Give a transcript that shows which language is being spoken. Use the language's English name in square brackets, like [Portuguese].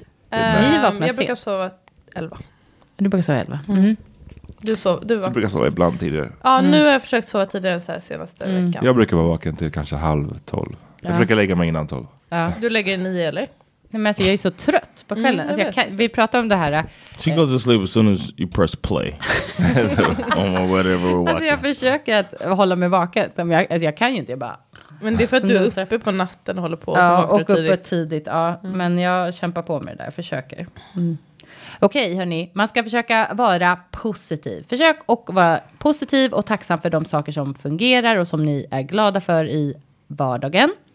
[Swedish] Jag brukar sova 11. Du brukar sova 11? Du du brukar sova ibland tidigare. Ja, nu har jag försökt sova tidigare så här senaste veckan. Jag brukar vara vaken till kanske 11:30. Ja. Jag försöker lägga mig innan 12. Ja. Du lägger 9 eller? Nej, men alltså, jag är så trött på kvällen. Alltså, vi pratar om det här. [English] She goes to sleep as soon as you press play. On whatever we're watching. [Swedish] Alltså, jag försöker att hålla mig vaken. Men jag kan ju inte, jag bara... Men det är för att du är uppe på natten och håller på. Ja, och uppe tidigt. Ja. Mm. Men jag kämpar på med det där, jag försöker. Mm. Okej, hörni. Man ska försöka vara positiv. Försök att vara positiv och tacksam för de saker som fungerar och som ni är glada för i vardagen.